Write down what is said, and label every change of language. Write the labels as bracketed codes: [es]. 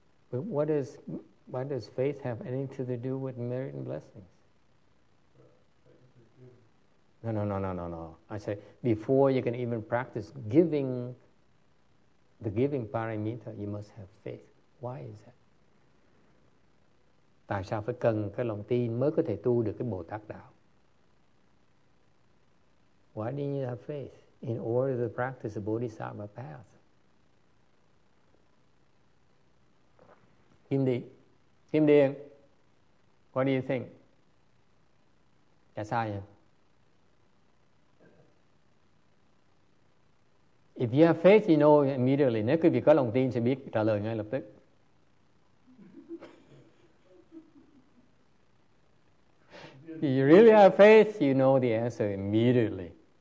[en] But what does faith have anything to do with merit and blessings? No. I say before you can even practice giving, the giving paramita, you must have faith. Why is that? [vi] Tại sao phải cần cái lòng tin mới có thể tu được cái Bồ Tát đạo? [en] Why do you need to have faith in order to practice the Bodhisattva path? Kim Điền, what do you think? [vi] Trả sai không? [en] If you have faith, you know immediately. [vi] Nếu quý vị có lòng tin, sẽ biết trả lời ngay lập tức. [en] If you really have faith, you know the answer immediately.